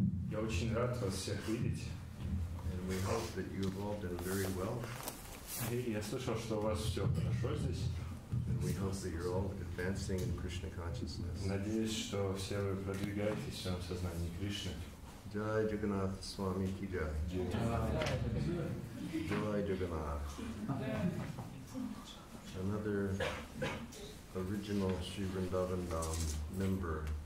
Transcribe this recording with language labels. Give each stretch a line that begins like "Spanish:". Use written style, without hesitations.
Russian: Я очень рад вас всех видеть.
English: And we hope that you have all done very well.
Russian: Я слышал, что у вас все хорошо здесь.
English: And we hope that you're all advancing in Krishna consciousness.
Russian: Надеюсь, что все вы продвигаетесь в своем сознании Кришны.
Hindi: Jai Jagannath Swami ki jai. Jai Jagannath.
English: Another original Sri Vrindavan Dham member.